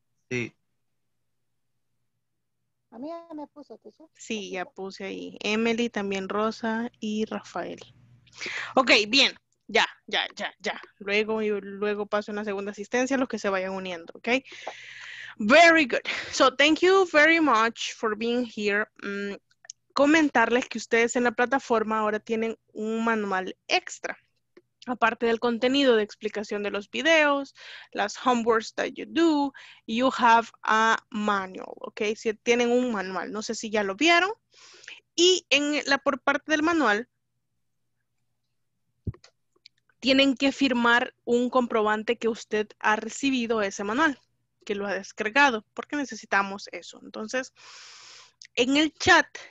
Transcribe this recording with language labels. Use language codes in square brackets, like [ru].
[es] Sí. A mí ya me puso, ¿tú? Sí, ya puse ahí. Emily, también Rosa y Rafael. Ok, bien. Ya. Luego y luego paso una segunda asistencia a los que se vayan uniendo, ¿ok? [en] Very good. So, thank you very much for being here. [es] Comentarles que ustedes en la plataforma ahora tienen un manual extra. Aparte del contenido de explicación de los videos, las [en] homeworks that you do, you have a manual, [es] ¿ok? Si tienen un manual, no sé si ya lo vieron. Y en la por parte del manual, tienen que firmar un comprobante que usted ha recibido ese manual, que lo ha descargado, porque necesitamos eso. Entonces, en el chat